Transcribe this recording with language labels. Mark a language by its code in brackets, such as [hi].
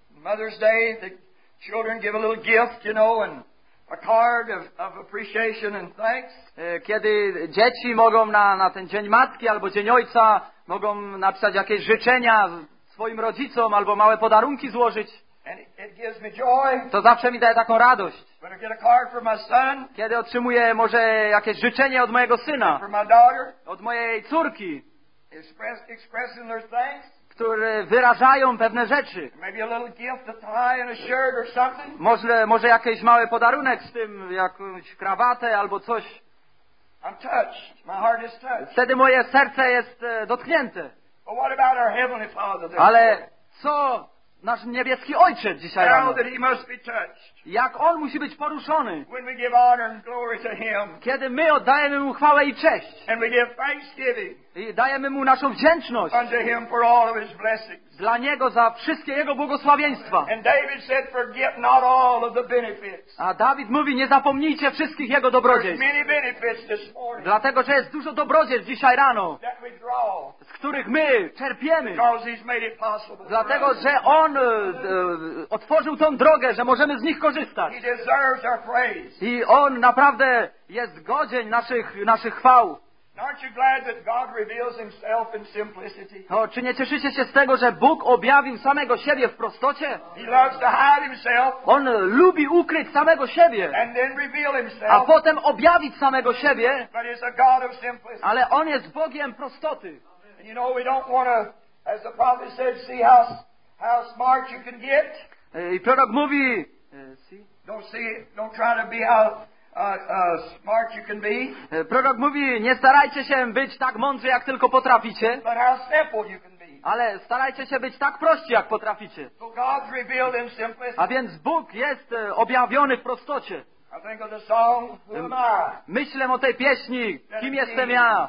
[en] Mother's Day, the children give a little gift, you know, and a card of appreciation and thanks. [pl] Kiedy dzieci mogą na ten dzień matki albo dzień ojca mogą napisać jakieś życzenia swoim rodzicom albo małe podarunki złożyć. [en] And it gives me joy. [pl] To zawsze mi daje taką radość. [en] When I get a card from my son. [pl] Kiedy otrzymuję może jakieś życzenie od mojego syna, [en] from my daughter. [pl] Od mojej córki, [en] expressing their thanks. [pl] Które wyrażają pewne rzeczy. [en] Maybe a little gift, a tie and a shirt or something. [pl] Może jakiś mały podarunek z tym, jakąś krawatę albo coś. [en] I'm touched. My heart is touched. [pl] Wtedy moje serce jest dotknięte. [en] But what about our Heavenly Father? [pl] Ale co nasz niebieski Ojciec dzisiaj rano? [en] How that he must be touched. [pl] Jak On musi być poruszony. [en] When we give honor and glory to him. [pl] Kiedy my oddajemy Mu chwałę i cześć. [en] And we give thanksgiving. [pl] I dajemy Mu naszą wdzięczność. [en] Unto him for all of his blessings. [pl] Dla Niego za wszystkie Jego błogosławieństwa. [en] And David said, forget not all of the benefits. [pl] A Dawid mówi, nie zapomnijcie wszystkich Jego dobrodziejstw. [en] There's many benefits this morning. [pl] Dlatego, że jest dużo dobrodziejstw dzisiaj rano. [en] That we draw. [pl] Z których my czerpiemy. [en] Because he's made it possible. [pl] Dlatego, że On otworzył tą drogę, że możemy z nich korzystać. [en] He deserves our praise. [pl] I On naprawdę jest godzien naszych chwał. [en] Aren't you glad that God reveals himself in simplicity? [pl] O, czy nie cieszycie się z tego, że Bóg objawił samego siebie w prostocie? [en] He loves to hide himself. [pl] On lubi ukryć samego siebie. [en] And then reveal himself. [pl] A potem objawić samego siebie. [en] But he's a God of simplicity. [pl] Ale On jest Bogiem prostoty. [en] And you know, we don't want to, as the prophet said, see how smart you can get. [pl] I prorok mówi, [en] don't try to be how smart you can be. [pl] Prorok mówi, nie starajcie się być tak mądrzy, jak tylko potraficie. [en] But how simple you can be. [pl] Ale starajcie się być tak prości, jak potraficie. [en] So God's revealed in simplicity. [pl] A więc Bóg jest objawiony w prostocie. [en] I think of the song, who am I? [pl] Myślę o tej pieśni, kim jestem ja?